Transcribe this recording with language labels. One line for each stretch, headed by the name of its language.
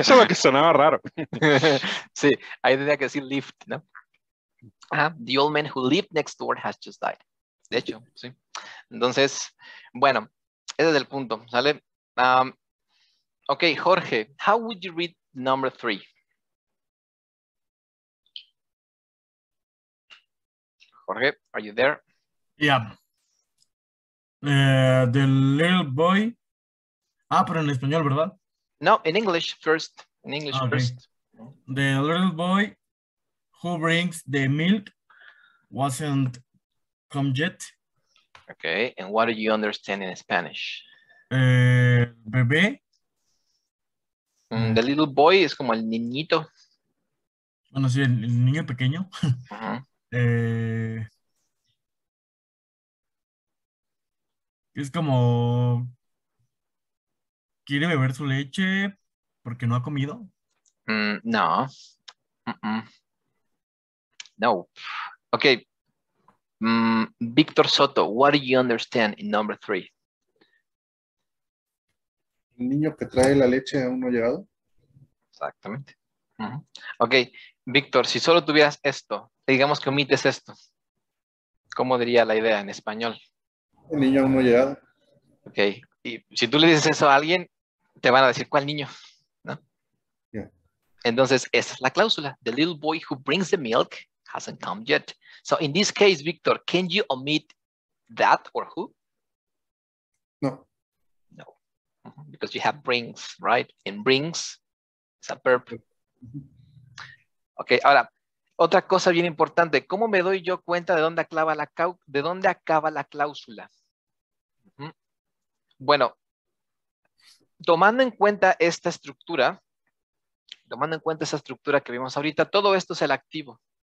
Spanish: Eso es lo que sonaba raro. Sí, ahí tenía que decir lived, ¿no? Ajá.
English: The old man who lived next door has just died.
Spanish: De hecho, sí. Entonces, bueno, ese es el punto, ¿sale?
English: Ok, Jorge, how would you read number three? Jorge, are you there? Yeah. The little boy.
Spanish: Ah, pero en español, ¿verdad?
English: No, in English first. In English okay. First. The little boy who brings the milk wasn't come yet. Okay, and what do you understand in Spanish?
Spanish: Bebé.
English: The little boy
Spanish: es como el niñito. Bueno, sí, el niño pequeño. Uh-huh. Es como quiere beber su leche porque no ha comido. No. Mm-mm. No. Okay.
English: Víctor Soto, what do you understand in number three?
Spanish: El niño que trae la leche aún no ha llegado. Exactamente. Mm-hmm. Okay, Víctor, si solo tuvieras esto, digamos que omites esto, ¿cómo diría la idea en español? El niño aún no ha llegado. Ok, y si tú le dices eso a alguien, te van a decir, ¿cuál niño? ¿No?
English: Yeah.
Spanish: Entonces, esa es la cláusula.
English: The little boy who brings the milk hasn't come yet. So, in this case, Victor, can you omit that or who? No. No. Because you have brings, right? And brings is a verb.
Spanish: Ok, ahora, otra cosa bien importante. ¿Cómo me doy yo cuenta de dónde acaba la, de dónde acaba la cláusula? Bueno, tomando en cuenta esta estructura, tomando en cuenta esa estructura que vimos ahorita, todo esto es el activo.